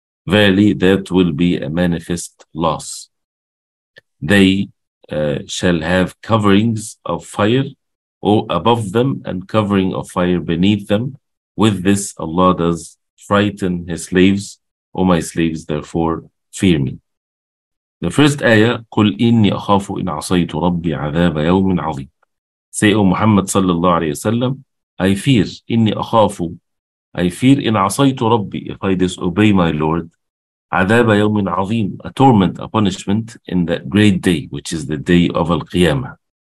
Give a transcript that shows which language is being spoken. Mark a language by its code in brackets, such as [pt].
[en] Verily, that will be a manifest loss. They shall have coverings of fire above them and covering of fire beneath them. With this, Allah does frighten his slaves. O my slaves, therefore, fear me. The first ayah, [ar] قُلْ إِنِّي أَخَافُ إِنْ عَصَيْتُ رَبِّي عَذَابَ يَوْمٍ عَظِيمٍ. [en] Say, O Muhammad sallallahu alayhi wa sallam, I fear, [ar] inni akhafu, [en] I fear, [ar] in asaytu rabbi, [en] if I disobey my Lord, [ar] adhaba yawmin azim, [en] a torment, a punishment, in that great day, which is the day of al-qiyamah.